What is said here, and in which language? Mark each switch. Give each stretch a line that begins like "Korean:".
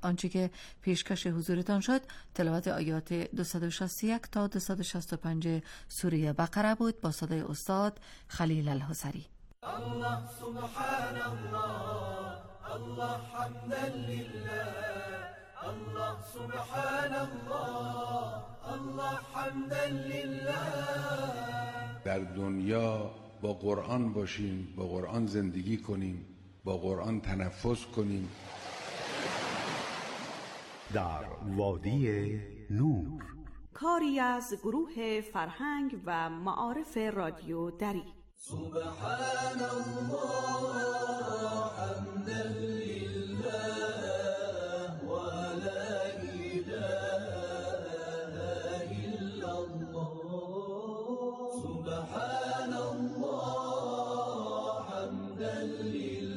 Persian: آنچه که پیشکش حضورتان شد تلاوت آیات 261 تا 265 سوره بقره بود با صدای استاد خلیل الحسری.
Arabic: الله سبحان الله الله حمد لله الله سبحان الله الله حمد لله.
Persian: در دنیا با قرآن باشیم، با قرآن زندگی کنیم، با قرآن تنفس کنیم. در وادی نور، کاری از گروه فرهنگ و معارف رادیو دری.
Arabic: سبحان الله حمد لله ولا اله الا الله سبحان الله حمد لله